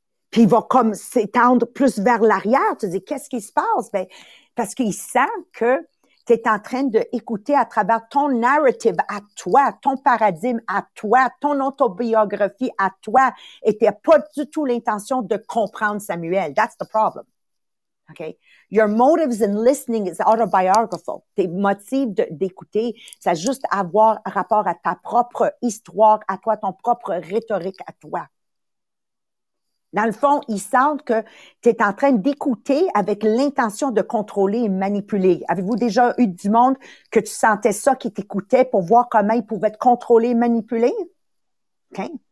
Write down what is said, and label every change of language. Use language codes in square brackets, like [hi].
[fr] Puis il va comme s'étendre plus vers l'arrière. Tu dis, qu'est-ce qui se passe? Ben, parce qu'il sent que tu es en train d'écouter à travers ton narrative à toi, ton paradigme à toi, ton autobiographie à toi, et tu n'as pas du tout l'intention de comprendre Samuel. [en] That's the problem. Okay? Your motives in listening is autobiographical. [fr] Tes motifs d'écouter, ça a juste à voir rapport à ta propre histoire à toi, ton propre rhétorique à toi. Dans le fond, ils sentent que tu es en train d'écouter avec l'intention de contrôler et manipuler. Avez-vous déjà eu du monde que tu sentais ça, qui t'écoutait pour voir comment ils pouvaient te contrôler et manipuler? Okay.